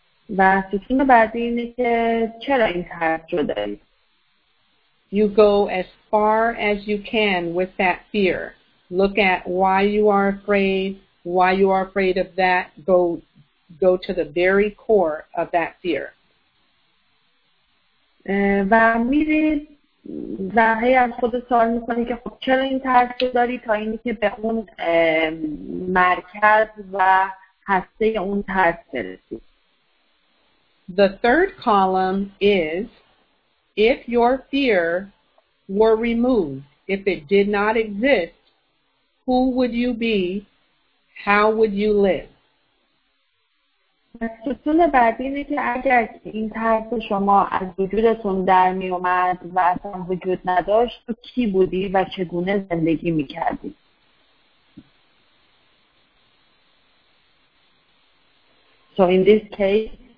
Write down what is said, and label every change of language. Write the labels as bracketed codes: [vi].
[en] You go as far as you can with that fear. Look at why you are afraid of that, go to the very core of that fear. [fa] و میری زهی از خود سوال میکنی که خب چرا این ترس رو داری تا اینی که به اون مرکز و هسته اون ترس برسی. [en] The third column is if your fear were removed, if it did not exist, who would you be? How would you live? [fa] ستون بعدی اینه که اگر این ترس شما از وجودتون در می اومد و اصلا وجود نداشت تو کی بودی و چگونه زندگی می کردی؟ [en] So in this case